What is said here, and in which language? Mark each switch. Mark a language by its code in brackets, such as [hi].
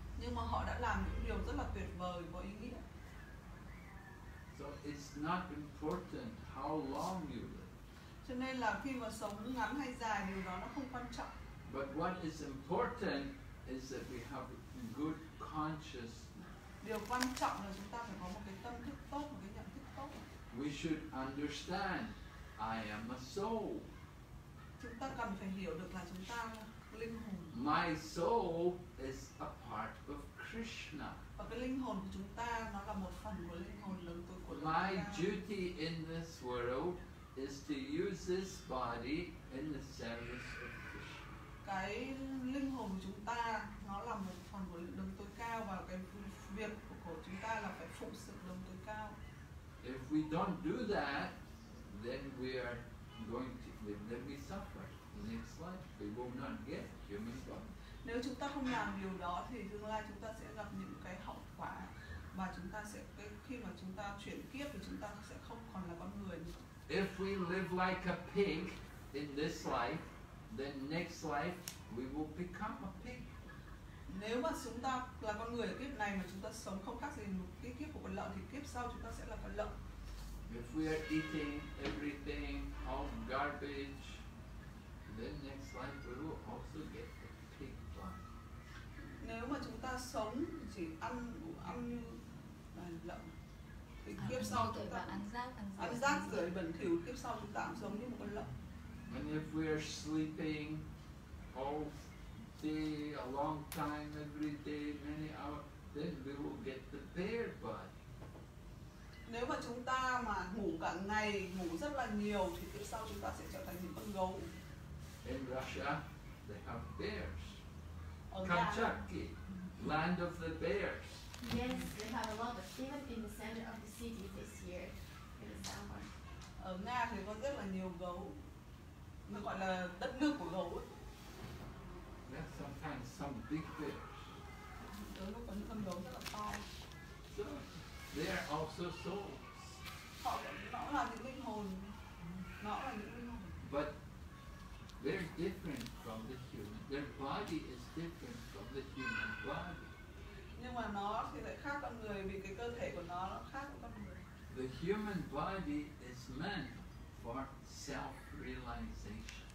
[vi] Nhưng mà họ đã làm những điều rất là tuyệt vời, có ý nghĩa. [en] So it's not important how long you live. [vi] Cho nên là khi mà sống ngắn hay dài, điều đó nó không quan trọng. [en] But what is important is that we have good consciousness. [vi] Điều quan trọng là chúng ta phải có một cái tâm thức tốt, một cái nhận thức tốt. [en] We should understand, I am a soul. [vi] Chúng ta cần phải hiểu được là chúng ta là linh hồn. [en] My soul is a part of Krishna. [vi] Và cái linh hồn của chúng ta nó là một phần của linh hồn lớn tối của Krishna. [en] My duty in this world is to use this body in the service of Krishna. [vi] Cái linh hồn của chúng ta nó là một phần của đấng tối cao và cái việc của chúng ta là phải phụng sự đấng tối cao. [en] If we don't do that, then we are going to then we suffer. Next life, we will not get human body. [vi] Nếu chúng ta không làm điều đó thì tương lai chúng ta sẽ gặp những cái hậu quả và chúng ta sẽ khi mà chúng ta chuyển kiếp thì chúng ta sẽ không còn là con người nữa. [en] If we live like a pig in this life, then next life we will become a pig. [vi] Nếu mà chúng ta là con người ở kiếp này mà chúng ta sống không khác gì một cái kiếp của con lợn thì kiếp sau chúng ta sẽ là con lợn. [en] If we are eating everything of garbage, then next life we will also get a pig body. [vi] Nếu mà chúng ta sống chỉ thì ăn ăn như lợn. Thì kiếp sau chúng ta ăn rác rồi bẩn thỉu, kiếp sau chúng ta giống như một con lợn. [en] And if we are sleeping all day, a long time, every day, many hours, then we will get the bear body. [vi] Nếu mà chúng ta mà ngủ cả ngày, ngủ rất là nhiều, thì tiếp sau chúng ta sẽ trở thành những con gấu. [en] In Russia, they have bears. [vi] Ở [en] Kamchatka, land of the bears. Yes, they have a lot of them in the center of the city this year, in the summer. [vi] Ở Nga thì có rất là nhiều gấu. Nó gọi là đất nước của gấu ấy. [en] Yes, sometimes some big bears. [vi] Đó là có những con gấu rất là to. [en] So, they are also souls. [vi] Họ cũng là những linh hồn. Nó là những linh hồn. [en] But they're different from the human. Their body is different from the human body. [vi] Nhưng mà nó thì lại khác con người vì cái cơ thể của nó khác của con người. [en] The human body is meant for self-realization.